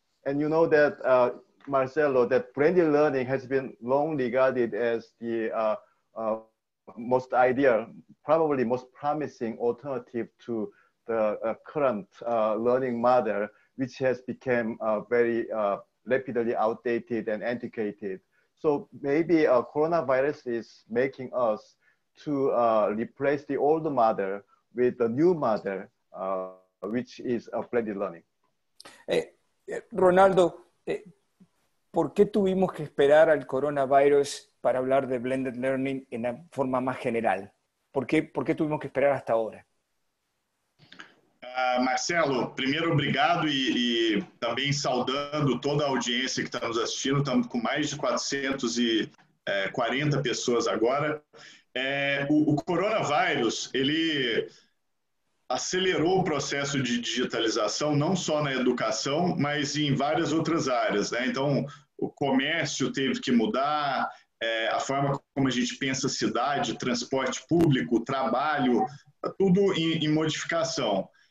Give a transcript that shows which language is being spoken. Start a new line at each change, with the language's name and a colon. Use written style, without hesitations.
English: And you know that, Marcelo, that blended learning has been long regarded as the most ideal, probably most promising alternative to the current learning model, which has become very rapidly outdated and antiquated. So maybe coronavirus is making us to replace the old model with the new model, which is blended learning.
Spanish: Ronaldo, ¿por qué tuvimos que esperar al coronavirus para hablar de blended learning en la forma más general? ¿Por qué tuvimos que esperar hasta ahora? Marcelo, primero,
Portuguese: obrigado
Spanish: y también saludando toda la audiencia que está nos asistiendo. Estamos con más de 440 personas ahora.
Portuguese: El coronavirus, ele acelerou o processo de digitalização, não só na educação, mas em várias outras áreas, né? Então, o comércio teve que mudar, a forma como a gente pensa cidade, transporte público, trabalho, tá tudo em modificação.